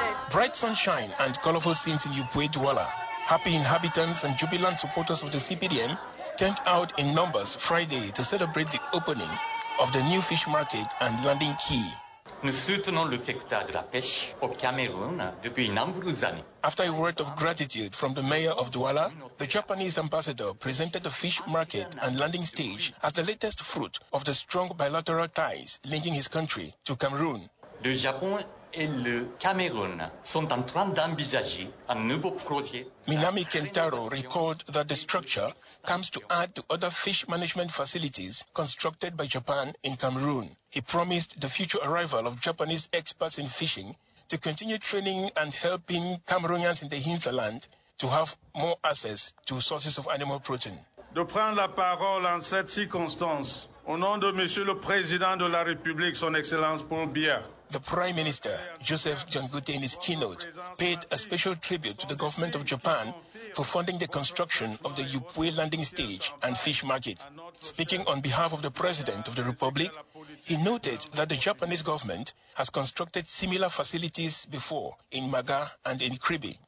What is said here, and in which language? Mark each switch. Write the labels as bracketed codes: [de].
[en] Bright sunshine and colorful scenes in Yupwe Douala. Happy inhabitants and jubilant supporters of the CPDM turned out in numbers Friday to celebrate the opening of the new fish market and landing quay. [fr] Nous soutenons le secteur de la pêche au Cameroun depuis nombreuses années. [en] After a word of gratitude from the mayor of Douala, the Japanese ambassador presented the fish market and landing stage as the latest fruit of the strong bilateral ties linking his country to Cameroun. [fr] Le Japon et le Cameroun sont en train d'envisager un nouveau projet. [en] Minami Kentaro recalled that the structure comes to add to other fish management facilities constructed by Japan in Cameroon. He promised the future arrival of Japanese experts in fishing to continue training and helping Cameroonians in the hinterland to have more access to sources of animal protein. [fr] De prendre la parole en cette circonstance, au nom de Monsieur le Président de la République, Son Excellence Paul Biya. [en] The Prime Minister, Joseph Dangote, in his keynote, paid a special tribute to the government of Japan for funding the construction of the Yupwe landing stage and fish market. Speaking on behalf of the President of the Republic, he noted that the Japanese government has constructed similar facilities before in Maga and in Kribi.